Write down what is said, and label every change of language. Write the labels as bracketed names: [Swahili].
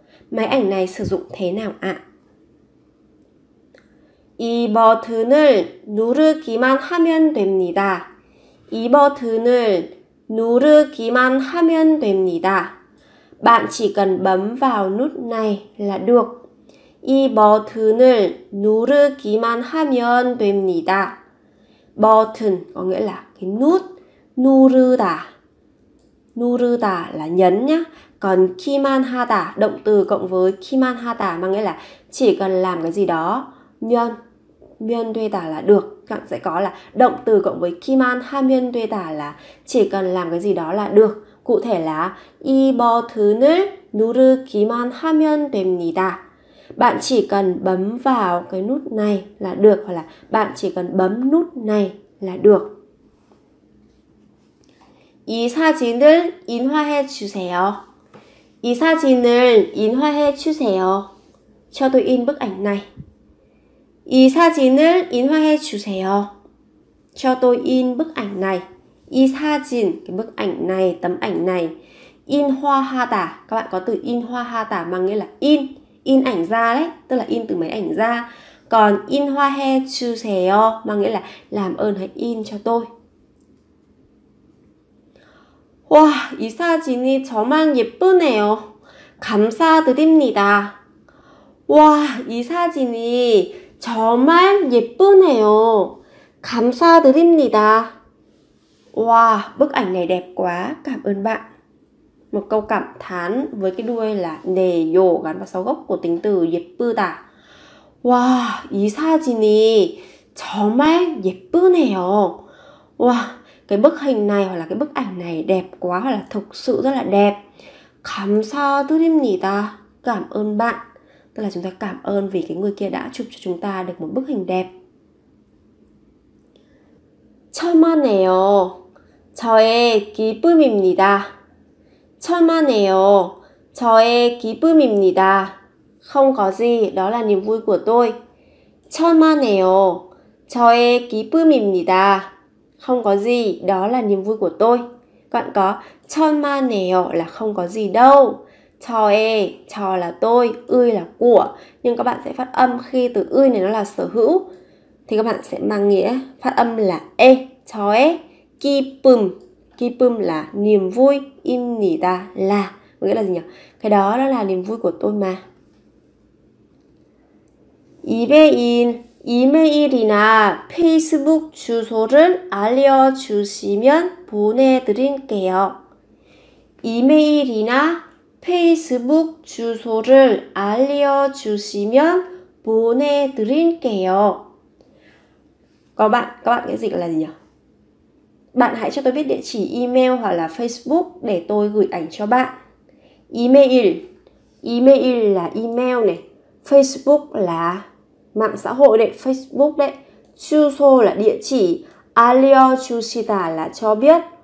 [Vietnamese] Máy ảnh này sử dụng thế nào ạ? [Korean] 이 버튼을 누르기만 하면 됩니다. 이 버튼을 누르기만 하면 됩니다. [Vietnamese] Bạn chỉ cần bấm vào nút này là được. [Korean] 이 버튼을 누르기만 하면 됩니다. [Vietnamese] 버튼 có nghĩa là cái nút, 누르다. 누르다 là nhấn nhá. Còn 기만 하다, động từ cộng với 기만 하다 mà nghĩa là chỉ cần làm cái gì đó. [Korean] 면, 면 되다 [Vietnamese] là được. Các bạn sẽ có là động từ cộng với 기만 하면 되다 là chỉ cần làm cái gì đó là được. Cụ thể là [Korean] 이 버튼을 누르기만 하면 됩니다. [Vietnamese] Bạn chỉ cần bấm vào cái nút này là được, hoặc là bạn chỉ cần bấm nút này là được. [Korean] 이 사진을 인화해 주세요. 이 사진을 인화해 주세요. 저도 인 [Vietnamese] bức ảnh này. [Korean] 이 사진을 인화해 주세요. 저도 인 [Vietnamese] bức ảnh này. [Korean] 이 사진, [Vietnamese] cái bức ảnh này, tấm ảnh này. [Korean] 인화하다, [Vietnamese] các bạn có từ 인화하다 mà nghĩa là in ảnh ra đấy, tức là in từ máy ảnh ra. Còn 인화해 주세요 mà nghĩa là làm ơn hãy in cho tôi. [Korean] 와, 이 사진이 정말 예쁘네요. 감사드립니다. 와, 이 사진이 정말 예쁘네요. 감사드립니다. [Vietnamese] 와, bức ảnh này đẹp quá. Cảm ơn bạn. Một câu cảm thán với cái đuôi là 네요 gắn vào sau gốc của tính từ 예쁘다. [Korean] 와, 이 사진이 정말 예쁘네요. [Vietnamese] 와, cái bức hình này hoặc là cái bức ảnh này đẹp quá hoặc là thực sự rất là đẹp. [Korean] 감사드립니다. [Vietnamese] Cảm ơn bạn. Tức là chúng ta cảm ơn vì cái người kia đã chụp cho chúng ta được một bức hình đẹp. [Korean] 천만에요. 저의 기쁨입니다. 천만에요. 저의 기쁨입니다. [Vietnamese] Không có gì, đó là niềm vui của tôi. [Korean] 천만에요. 저의 기쁨입니다. [Vietnamese] Không có gì, đó là niềm vui của tôi. Các bạn có 천만에요 là không có gì đâu. 저의, 저 là tôi, 의 là của. Nhưng các bạn sẽ phát âm khi từ 의 này nó là sở hữu. Thì các bạn sẽ mang nghĩa phát âm là e. [Korean] 저의 기쁨. [Vietnamese] 기쁨 là niềm vui. 입니다 là. Nghĩa là gì nhỉ? Cái đó là niềm vui của tôi mà. 이베인. [Korean] 이메일이나 페이스북 주소를 알려주시면 보내드릴게요. 이메일이나 페이스북 주소를 알려주시면 보내드릴게요. [Vietnamese] Có bạn, các bạn nghĩ dịch là gì nhỉ? Bạn hãy cho tôi biết địa chỉ email hoặc là Facebook để tôi gửi ảnh cho bạn. Email. Email là email này. Facebook là mạng xã hội đấy, Facebook đấy. 주소 là địa chỉ. 알려주시다 là cho biết.